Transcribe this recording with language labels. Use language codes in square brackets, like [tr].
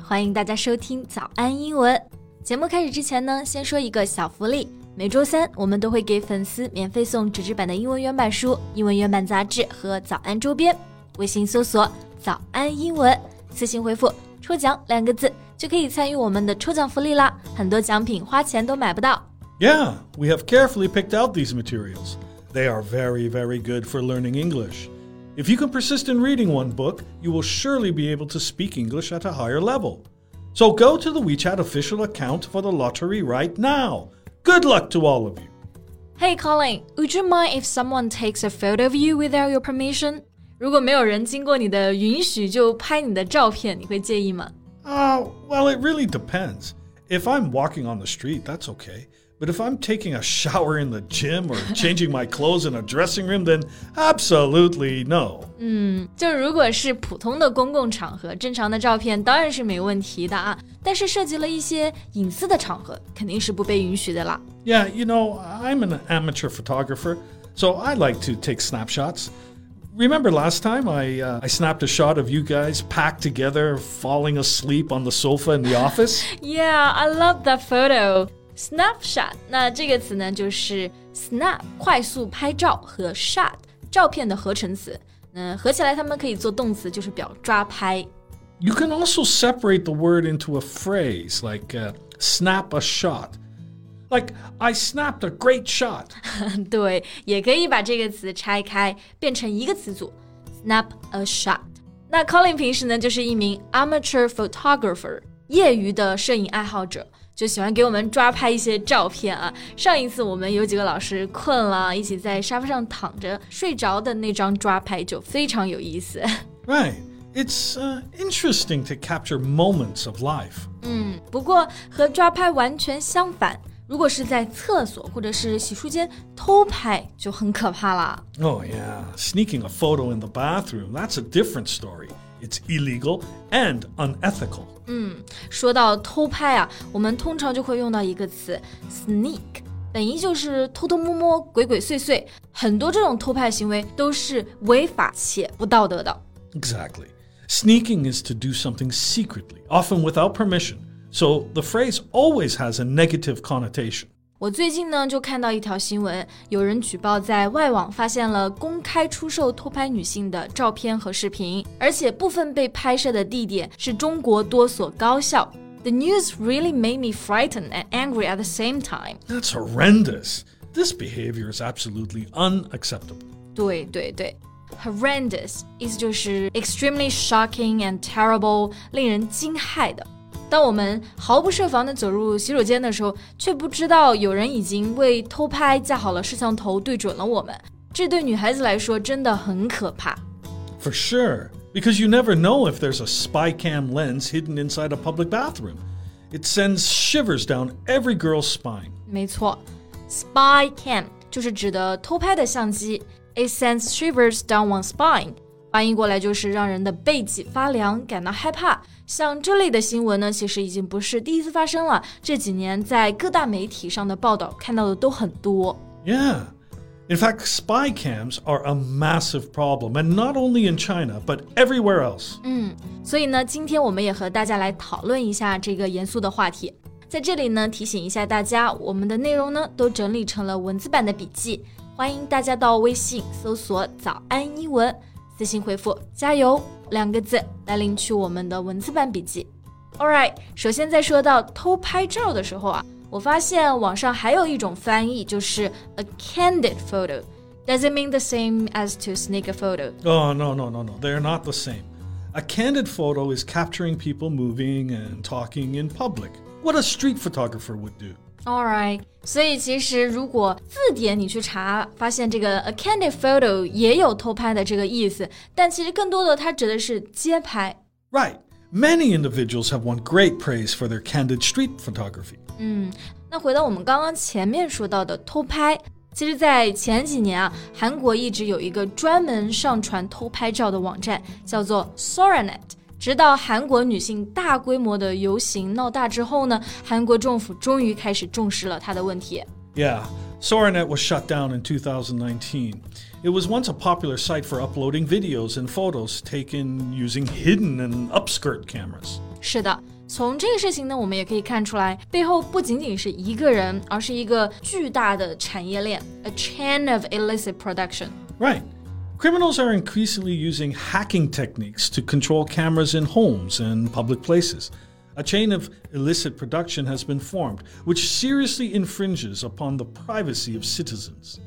[zh] 欢迎大家收听早安英文。节目开始之前呢，先说一个小福利。每周三，我们都会给粉丝免费送纸质版的英文原版书、英文原版杂志和早安周边。微信搜索“早安英文”，私信回复“抽奖”两个字，就可以参与我们的抽奖福利啦。很多奖品花钱都买不到。 [en] Yeah, we have carefully picked out these materials. They are very, very good for learning English. If you can persist in reading one book, you will surely be able to speak English at a higher level. So go to the WeChat official account for the lottery right now. Good luck to all of you. Hey, Colin, would you mind if someone takes a photo of you without your permission? [zh] 如果没有人经过你的允许就拍你的照片，你会介意吗？ [en] Well, it really depends. If I'm walking on the street, that's okay. But if I'm taking a shower in the gym or changing my clothes in a dressing room, then absolutely no. [zh] 就如果是普通的公共场合，正常的照片当然是没问题的啊。但是涉及了一些隐私的场合，肯定是不被允许的啦。 [en] Yeah, you know, I'm an amateur photographer, so I like to take snapshots. Remember last time I snapped a shot of you guys packed together, falling asleep on the sofa in the office? Yeah, I love that photo. [zh] Snapshot, 那这个词呢就是 snap, 快速拍照和 shot, 照片的合成词。合起来它们可以做动词就是表抓拍。 [en] You can also separate the word into a phrase, like snap a shot. Like, I snapped a great shot. [zh] 对,也可以把这个词拆开变成一个词组 [en] snap a shot. [zh] 那 Colin 平时呢就是一名 [en] amateur photographer, [zh] 业余的摄影爱好者。就喜欢给我们抓拍一些照片啊。上一次我们有几个老师困了，一起在沙发上躺着睡着的那张抓拍就非常有意思。 [en] Right, it's interesting to capture moments of life. [zh] 不过和抓拍完全相反，如果是在厕所或者是洗漱间偷拍就很可怕了。 [en] Oh yeah, sneaking a photo in the bathroom, that's a different story. It's illegal and unethical. [zh] 说到偷拍啊，我们通常就会用到一个词 sneak， 本意就是偷偷摸摸、鬼鬼祟祟。很多这种偷拍行为都是违法且不道德的。 [en] Exactly. Sneaking is to do something secretly, often without permission. So the phrase always has a negative connotation. [zh] 我最近呢就看到一条新闻，有人举报在外网发现了公开出售偷拍女性的照片和视频，而且部分被拍摄的地点是中国多所高校。 [en] The news really made me frightened and angry at the same time. That's horrendous. This behavior is absolutely unacceptable. [zh] 对对对。 Horrendous, 意思就是 [en] extremely shocking and terrible, [zh] 令人惊骇的。当我们毫不设防地走入洗手间的时候，却不知道有人已经为偷拍架好了摄像头对准了我们。这对女孩子来说真的很可怕。 [en] For sure, because you never know if there's a spy cam lens hidden inside a public bathroom. It sends shivers down every girl's spine. [zh] 没错 ,spy cam 就是指的偷拍的相机。 [en] It sends shivers down one's spine. [zh] 翻译过来就是让人的背脊发凉，感到害怕。像这类的新闻呢，其实已经不是第一次发生了。这几年在各大媒体上的报道看到的都很多。 [en] Yeah, in fact, spy cams are a massive problem, and not only in China, but everywhere else. [zh] 所以呢，今天我们也和大家来讨论一下这个严肃的话题。在这里呢，提醒一下大家，我们的内容呢都整理成了文字版的笔记，欢迎大家到微信搜索“早安英文”。私信回复加油两个字来领取我们的文字版笔记。 Alright, 首先在说到偷拍照的时候啊，我发现网上还有一种翻译就是 [en] a candid photo. Does it mean the same as to sneak a photo? Oh, no. They're not the same. A candid photo is capturing people moving and talking in public. What a street photographer would do. [zh] Alright, 所以其实如果字典你去查发现这个 [en] a candid photo [zh] 也有偷拍的这个意思，但其实更多的它指的是街拍。 [en] Right, many individuals have won great praise for their candid street photography. [zh] 那回到我们刚刚前面说到的偷拍，其实在前几年啊，韩国一直有一个专门上传偷拍照的网站叫做 Soranet。直到韩国女性大规模的游行闹大之后呢，韩国政府终于开始重视了她的问题。 [en] Yeah, Soranet was shut down in 2019. It was once a popular site for uploading videos and photos taken using hidden and upskirt cameras. [zh] 是的，从这个事情呢，我们也可以看出来，背后不仅仅是一个人，而是一个巨大的产业链 , [en] a chain of illicit production. Right. Criminals are increasingly using hacking techniques to control cameras in homes and public places. A chain of illicit production has been formed, which seriously infringes upon the privacy of citizens.